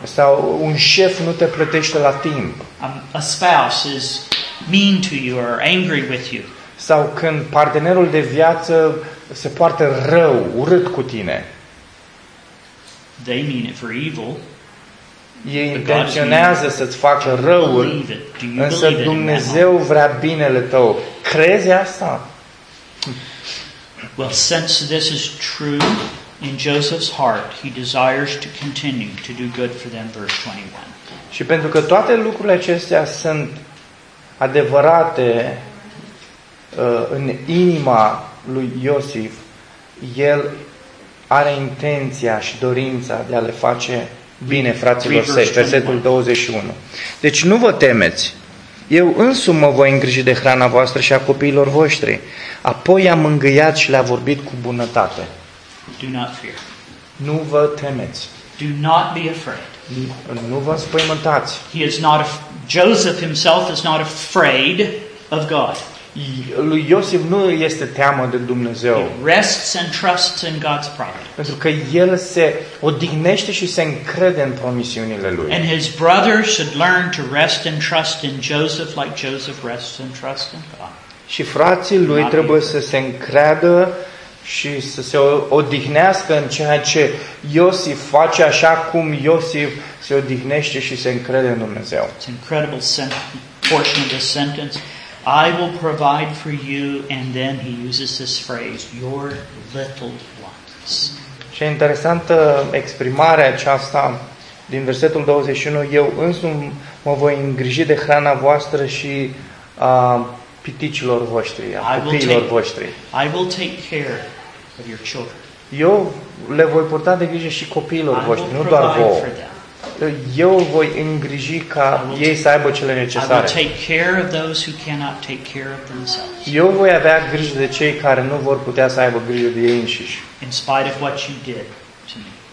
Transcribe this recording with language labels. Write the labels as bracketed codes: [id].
[ro] Sau un șef nu te plătește la timp. [en] A spouse is mean to you or angry with you. [ro] Sau când partenerul de viață se poartă rău, urât cu tine. [en] They mean it for evil. [ro] Ei intenționează să-ți facă răul, însă Dumnezeu vrea binele tău. Crezi asta? [en] Well, since this is true in Joseph's heart, he desires to continue to do good for them, verse 21. [ro] Și pentru că toate lucrurile acestea sunt adevărate în inima lui Iosif, el are intenția și dorința de a le face bine fraților săi. Versetul 21. Deci nu vă temeți, eu însumi mă voi îngriji de hrana voastră și a copiilor voștri. Apoi i-a mângâiat și le-a vorbit cu bunătate. [en] Do not fear. [ro] Nu vă temeți. [en] Do not be afraid. [ro] Nu vă spăimântați. [en] Joseph himself is not afraid of God. [ro] Lui Iosif nu este teamă de Dumnezeu. [en] He rests and trusts in God's providence. [ro] Pentru că el se odihnește și se încrede în promisiunile lui. [en] And his brothers should learn to rest and trust in Joseph like Joseph rests and trusts in God. [ro] Și frații lui trebuie să se încreadă și să se odihnească în ceea ce Iosif face, așa cum Iosif se odihnește și se încrede în Dumnezeu. [en] It's an incredible portion of this sentence. I will provide for you, and then he uses this phrase, your little ones. [ro] Și interesantă exprimarea aceasta din versetul 21, eu însumi mă voi îngriji de hrana voastră și a piticilor voștri, a copiilor voștri. [en] I will take care of your children. [ro] Eu le voi purta de grijă și copiilor voștri, nu doar vouă. Eu voi îngriji ca ei să aibă cele necesare. [en] I will take care of those who cannot take care of themselves. [ro] Eu voi avea grijă de cei care nu vor putea să aibă grijă de ei înșiși. [en] In spite of what you did to me.